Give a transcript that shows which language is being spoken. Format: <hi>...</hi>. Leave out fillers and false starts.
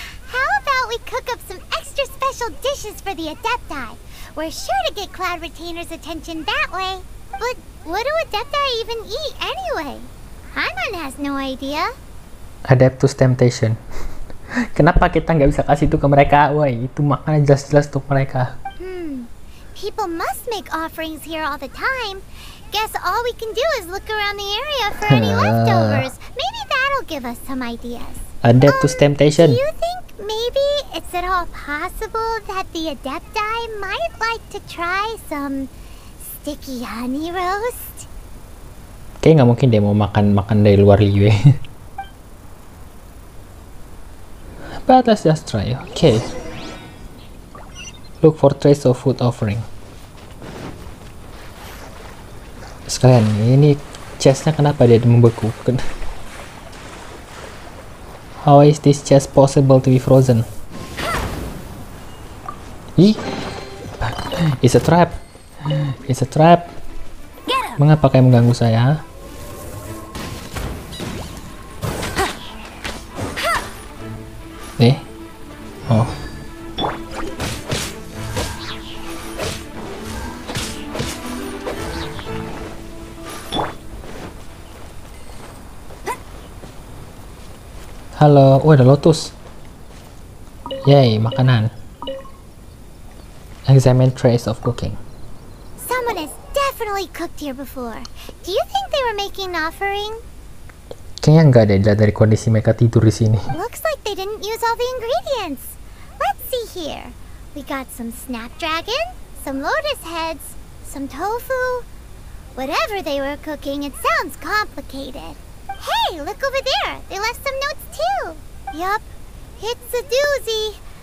<en>How about we cook up some extra special dishes for the Adepti? We're sure to get Cloud Retainer's attention that way. But what do Adepti even eat anyway? Paimon has no idea. Adeptus Temptation.</en> <id>Kenapa kita nggak bisa kasih itu ke mereka? Woi, itu makanan jelas-jelas untuk mereka.</id> <en>Hmm, people must make offerings here all the time. Guess all we can do is look around the area for any leftovers. Maybe that'll give us some ideas. Adept to Temptation. Do you think maybe it's at all possible that the Adepti might like to try some sticky honey roast?</en> <id>Kayak nggak mungkin dia mau makan dari luar Liyue. Ya.</id> <en>But let's just try. Okay. Look for trace of food offering.</en> <id>Sekalian, ini chestnya kenapa dia membeku?</id> <en>How is this chest possible to be frozen? It's a trap. It's a trap.</en> <id>Mengapa kamu mengganggu saya? Nih. Oh. Halo, oh ada lotus. Yay, makanan.</id> <en>Examine trace of cooking. Someone has definitely cooked here before. Do you think they were making an offering?</en> <id>Kayaknya enggak deh, lihat dari kondisi mereka tidur di sini.</id> <en>Looks like they didn't use all the ingredients. Let's see here. We got some snapdragon, some lotus heads, some tofu. Whatever they were cooking, it sounds complicated. Hey, look over there. They left some notes too. Yup, it's a doozy.</en>